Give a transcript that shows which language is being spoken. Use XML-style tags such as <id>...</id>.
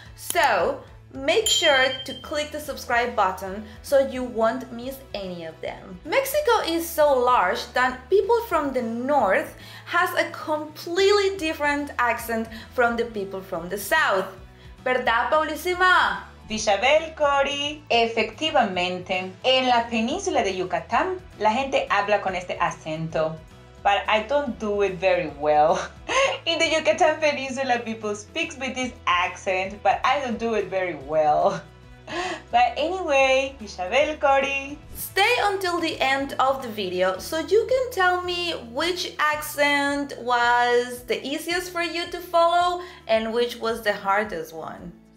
<en>So, make sure to click the subscribe button so you won't miss any of them. Mexico is so large that people from the north has a completely different accent from the people from the south.</en> <es>¿Verdad, Paulísima? Isabel, Cory, efectivamente, en la península de Yucatán, la gente habla con este acento.</es> <en>But I don't do it very well. In the Yucatán Peninsula, people speak with this accent, but I don't do it very well. But anyway, Isabel Cory. Stay until the end of the video so you can tell me which accent was the easiest for you to follow and which was the hardest one.</en>